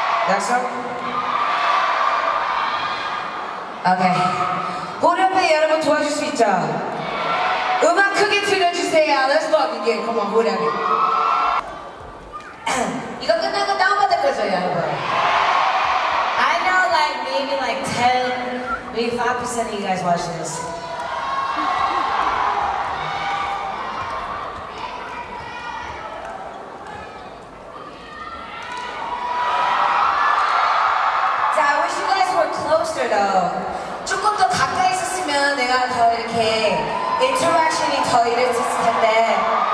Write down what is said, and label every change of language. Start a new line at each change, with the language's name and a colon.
Korean: 약속?
English: Okay.
Korean: 우리 옆에 여러분 도와줄 수 있죠? 음악 크게 틀려주세요.
English: Let's fuck it, yeah. Come on,
Korean: 우리 옆에. 이거 끝나고 다운받을 거죠, 여러분?
English: I know like maybe like 10, maybe 5% of you guys watch this. So I wish you guys were closer though.
Korean: 조금 더 가까이 있었으면 내가 더 이렇게 인터랙션이 더 이랬을 텐데.